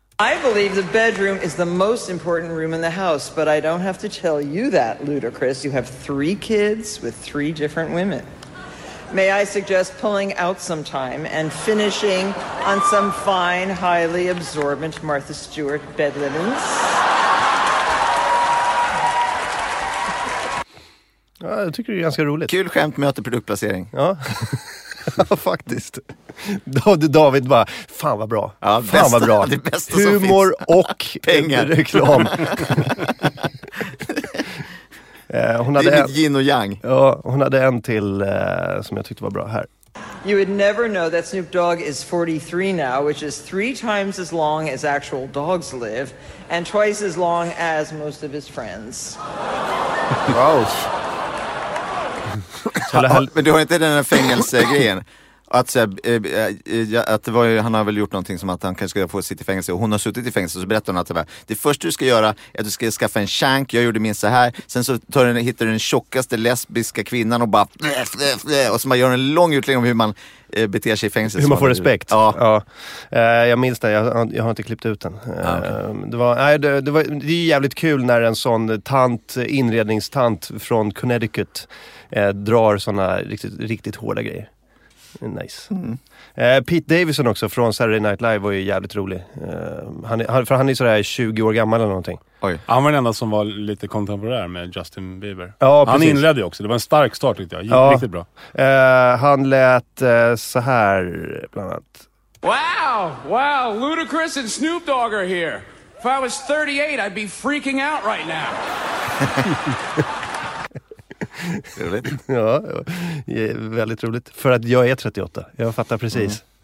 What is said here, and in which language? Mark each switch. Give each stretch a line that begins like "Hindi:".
English: I believe the bedroom is the most important room in the house, but I don't have to tell you that, Ludacris. You have 3 kids with 3 different women. May I suggest pulling out some time and finishing on some fine, highly absorbent Martha Stewart bed linens?
Swedish: Ja, jag tycker det är ganska roligt. Kul skämt möter produktplacering. Ja, faktiskt. David bara, fan vad bra. Ja, fan bästa, vad bra. Det bästa humor som finns. Och pengar. Reklam. Hon hade en, yin och yang. Ja, hon hade en till som jag tyckte var bra här.
English: You would never know that Snoop Dogg is 43 now, which is 3 times as long as actual dogs live, and twice as long as most of his friends. Wow.
Swedish: Men du har inte den här fängelsegrejen. Att säga, att det var ju, han har väl gjort någonting som att han kanske ska få sitta i fängelse. Och hon har suttit i fängelse, så berättar hon att det första du ska göra är att du ska skaffa en shank. Jag gjorde min så här. Sen så hittar du den tjockaste lesbiska kvinnan och bara, och så man gör en lång utläggning om hur man beter sig i fängelse. Hur man får respekt. Ja. Ja. Jag minns det, jag har inte klippt ut den. Det är jävligt kul när en sån tant, inredningstant från Connecticut drar såna riktigt, riktigt hårda grejer. Nice. Mm. Pete Davidson också från Saturday Night Live var ju jävligt rolig. Han är så där 20 år gammal eller någonting. Oj. Han var den enda som var lite kontemporär med Justin Bieber. Ja, han precis. Inledde ju också. Det var en stark start, tyckte jag. Ja. Riktigt bra. Han lät så här bland annat.
English: Wow, Ludacris and Snoop Dogg are here. If I was 38 I'd be freaking out right now.
Swedish: Ja, ja, väldigt roligt. För att jag är 38. Jag fattar precis.